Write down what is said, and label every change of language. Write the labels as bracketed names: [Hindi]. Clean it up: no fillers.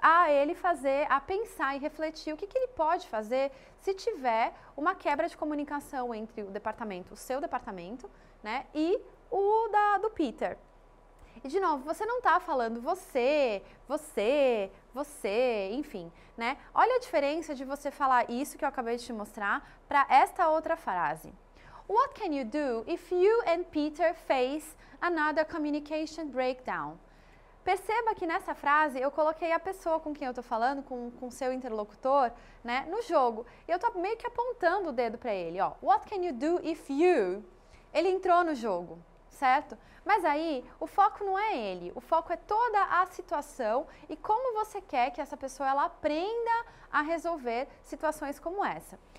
[Portuguese] ele fazer, a pensar e refletir o que, que ele pode fazer se tiver uma quebra de comunicação entre o departamento, o seu departamento, né, e o do Peter. E, de novo, você não está falando você, você, você, enfim, né? Olha a diferença de você falar isso que eu acabei de te mostrar para esta outra frase. [English] What can you do if you and Peter face another communication breakdown? [Portuguese] Perceba que nessa frase eu coloquei a pessoa com quem eu estou falando, com seu interlocutor, né, no jogo. E eu estou meio que apontando o dedo para ele, ó. [English] What can you do if you... [Portuguese] Ele entrou no jogo, certo? Mas aí, o foco não é ele, o foco é toda a situação e como você quer que essa pessoa ela aprenda a resolver situações como essa.